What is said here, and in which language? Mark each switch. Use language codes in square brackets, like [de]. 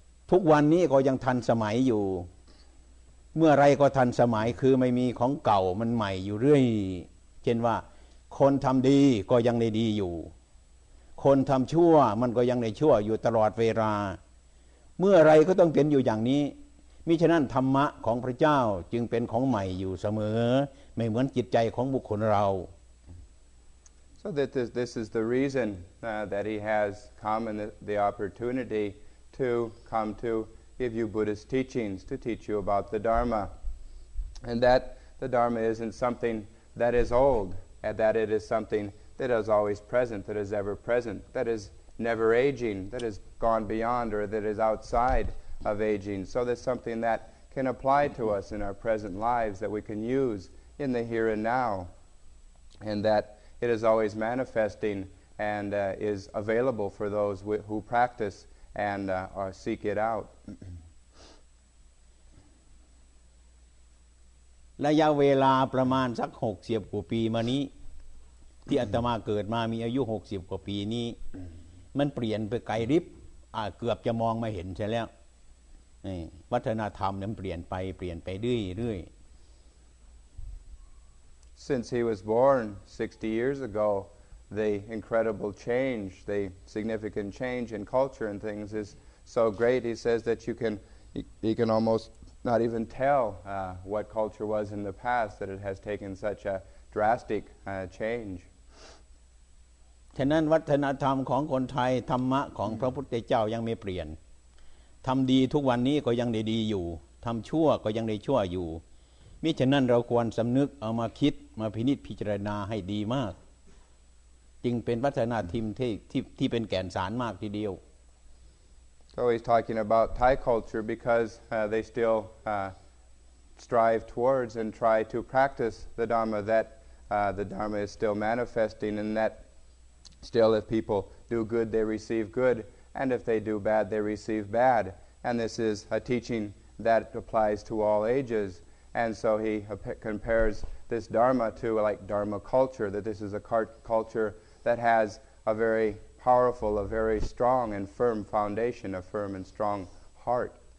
[th] ทุกวันนี้ก็ยังทันสมัยอยู่เมื่อไรก็ทันสมัยคือไม่มีของเก่ามันใหม่อยู่เรื่อยเช่นว่าคนทำดีก็ยังได้ดีอยู่คนทำชั่วมันก็ยังได้ชั่วอยู่ตลอดเวลาเมื่อไรก็ต้องเป็นอยู่อย่างนี้มิฉะนั้นธรรมะของพระเจ้าจึงเป็นของใหม่อยู่เสมอไม่เหมือนจิตใจของบุคคลเรา [en] So this is the reason that he has come and the opportunity to come toGive you Buddhist teachings to teach you about the Dharma, and that the Dharma isn't something that is old, and that it is something that is always present, that is ever present, that is never aging, that has gone beyond or that is outside of aging. So there's something that can apply to us in our present lives that we can use in the here and now, and that it is always manifesting and is available for those who practice and seek it out. [th] ระยะเวลาประมาณสัก60กว่าปีมานี้ที่อาตมาเกิดมามีอายุ60กว่าปีนี้มันเปลี่ยนไปไกลริบเกือบจะมองไม่เห็นใช่แล้ววัฒนธรรมมันเปลี่ยนไปเปลี่ยนไปเรื่อย [en] ๆ Since he was born 60 years ago, the incredible change, the significant change in culture and things is so great. He says that you can almost not even tell what culture was in the past, that it has taken such a drastic change. [th] ฉะนั้นวัฒนธรรมของคนไทยธรรมะของพระพุทธเจ้ายังไม่เปลี่ยนทำดีทุกวันนี้ก็ยังได้ดีอยู่ทำชั่วก็ยังได้ชั่วอยู่มิฉะนั้นเราควรสำนึกเอามาคิดมาพินิจพิจารณาให้ดีมากจึงเป็นวัฒนธรรมที่เป็นแก่นสารมากทีเดียว [en] So he's talking about Thai culture because they still strive towards and try to practice the Dharma that the Dharma is still manifesting and that still if people do good they receive good and if they do bad they receive bad and this is a teaching that applies to all ages and so he compares this Dharma to like Dharma culture that this is a culture that has a very powerful, a very strong and firm foundation, a firm and strong heart.